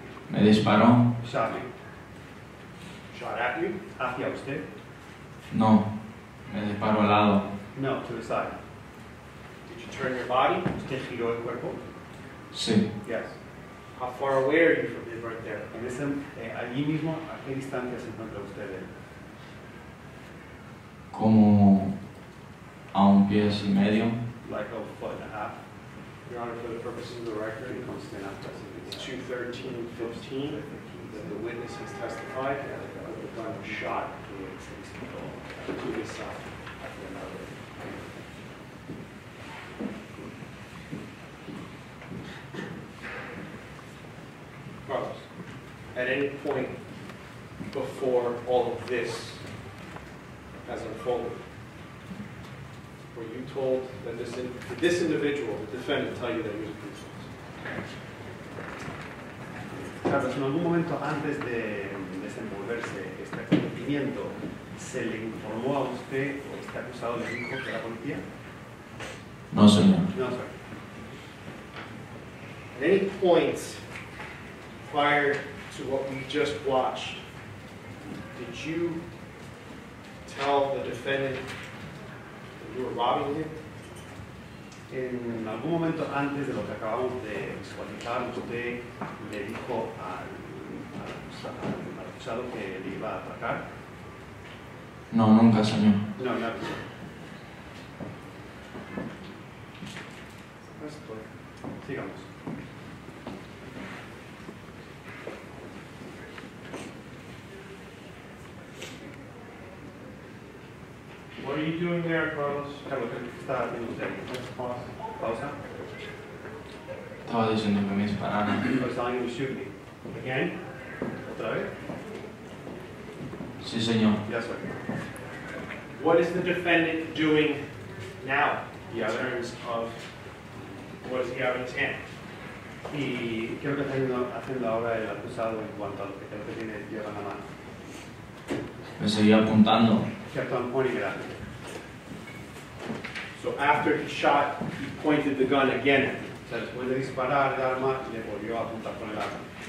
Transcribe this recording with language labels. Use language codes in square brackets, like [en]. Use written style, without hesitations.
[es] Me disparó. [en] Shot me. Shot at you? [es] Hacia usted. No, me disparó al lado. [en] No, to the side. Did you turn your body? [es] ¿Usted giró el cuerpo? Sí. [en] Yes. How far away are you from him right there? [es] En ese, allí mismo, ¿a qué distancia se encuentra usted de él? Como a un pie y medio. [en] Like a foot and a half. Your Honor, for the purposes of the record, it comes to an half. It's 213.15. The witness has testified that the gun was shot to his side. Carlos, at any point before all of this has unfolded, were you told that this individual, the defendant, tell you that he was a police officer? [es] Carlos, en algún momento antes de desenvolverse este acontecimiento, ¿se le informó a usted o este acusado le dijo que era policía? No, señor. [en] No, sir. At any point prior to what we just watched, did you tell the defendant that you were robbing him? [es] En algún momento antes de lo que acabamos de visualizar, usted le dijo al acusado que le iba a atacar? No, nunca, señor. No, nunca. Sigamos. [en] What are you doing there, Carlos? [es] Carlos, ¿qué está haciendo usted? Pausa. Estaba diciendo que me dispararon. [en] I was telling you to shoot me. Again? [es] Otra vez? Sí, señor. [en] Yes, sir. What is the defendant doing now in terms of what does he have in his hand? [es] ¿Y qué es lo que está haciendo ahora el acusado en cuanto a lo que creo que tiene lleva en la mano? Me seguía apuntando. [en] Kept on pointing it at me. So after he shot, he pointed the gun again at me. [es] O sea, después de disparar el arma, le volvió a apuntar con el arma.